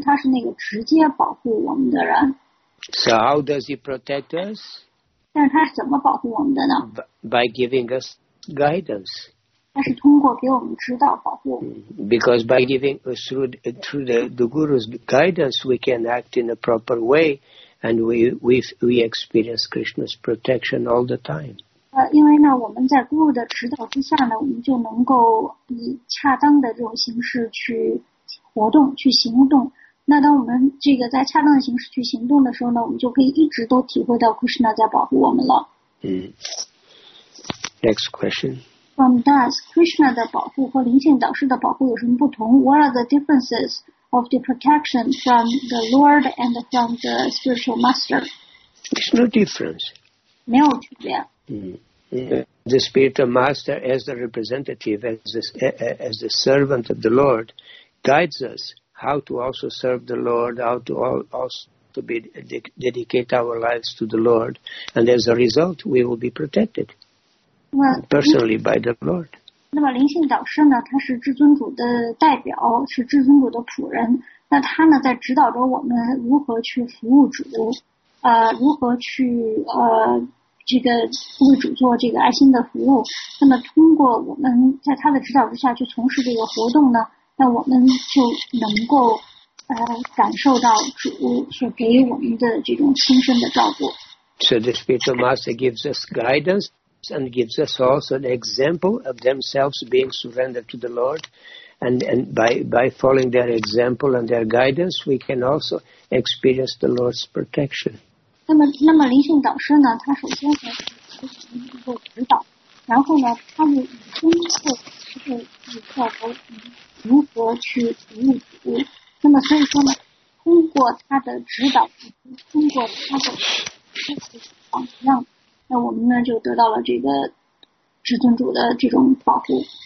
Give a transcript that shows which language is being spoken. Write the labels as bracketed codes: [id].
[zh] 他是那个直接保护我们的人。 [en] So how does he protect us? [zh] 但他怎么保护我们的呢？ [en] By giving us guidance. [zh] 他是通过给我们指导保护。 [en] Because by giving us through the Guru's guidance, we can act in a proper way, and we experience Krishna's protection all the time. [zh] 因为呢，我们在 Guru 的指导之下呢，我们就能够以恰当的这种形式去活动，去行动。那当我们这个在恰当的形式去行动的时候呢，我们就可以一直都体会到 Krishna 在保护我们了。 [en] 嗯。Next question. From Das, [zh] Krishna 的保护和灵性导师的保护有什么不同 [en] ？What are the differences of the protection from the Lord and from the spiritual master? There's no difference. [zh] 没有区别。嗯。 [en] The spiritual master, as the representative, as the servant of the Lord, guides us. How to also serve the Lord, how to also to be dedicate our lives to the Lord, and as a result, we will be protected personally by the Lord. [zh] 那么灵性导师呢？他是至尊主的代表，是至尊主的仆人。那他呢，在指导着我们如何去服务主，如何去这个为主做这个爱心的服务。那么通过我们在他的指导之下去从事这个活动呢？那我们就能够感受到主所给我们的这种亲身的照顾。 [en] So the spiritual master gives us guidance and gives us also an example of themselves being surrendered to the Lord, and by following their example and their guidance, we can also experience the Lord's protection. [zh] 那么灵性导师呢？他首先呢，能够指导，然后呢，他们已经是一个一个如何去服务主？那么所以说呢，通过他的指导，通过他的榜样，那我们呢就得到了这个至尊主的这种保护。